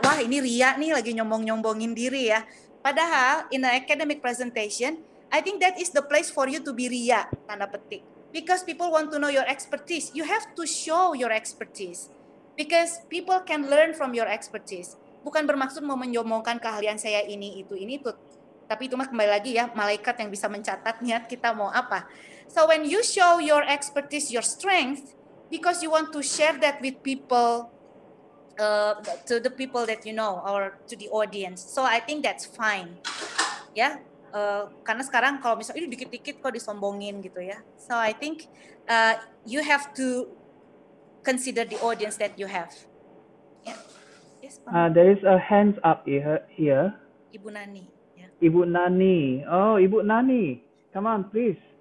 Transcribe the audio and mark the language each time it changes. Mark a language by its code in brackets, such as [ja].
[id] Wah, ini ria nih lagi nyombong-nyombongin diri ya. Padahal [en] in an academic presentation, I think that is the place for you to be [id] ria, tanda petik. [en] Because people want to know your expertise. You have to show your expertise because people can learn from your expertise. [id] Bukan bermaksud mau menyombongkan keahlian saya ini itu. Tapi itu mah kembali lagi ya, malaikat yang bisa mencatat niat kita mau apa. [en] So when you show your expertise, your strength, because you want to share that with people, to the people that you know, or to the audience. So I think that's fine. [id] Ya, karena sekarang kalau misalnya, ini dikit-dikit kok disombongin gitu ya. [en] So I think you have to consider the audience that you have. Yeah. Yes, there is a hands up here. [id] Ibu Nani. [en] Ibu Nani. Oh, Ibu Nani. Come on, please.